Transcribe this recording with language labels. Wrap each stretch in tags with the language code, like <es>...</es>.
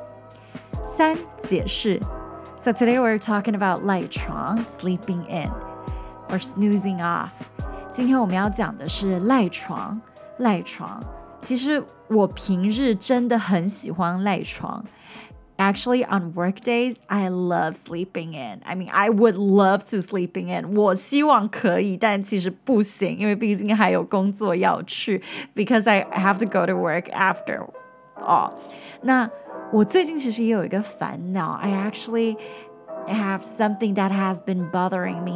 <zh>所以他们认为，每个赖床跟太阳升起时间做对的，都是跟基因的对抗，展现对自主身体的掌控。三、解释。</zh> <en>So today we're talking about 赖床, sleeping in, or snoozing off.</en> <zh>今天我们要讲的是赖床。其实我平日真的很喜欢赖床。</zh> <en>Actually, on work days, I love sleeping in. I mean, I would love to sleeping in.</en> <zh>我希望可以，但其实不行，因为毕竟还有工作要去.</zh> <en>Because I have to go to work after all.</en> <zh>那我最近其实也有一个烦恼.</zh> <en>I actually have something that has been bothering me.</en>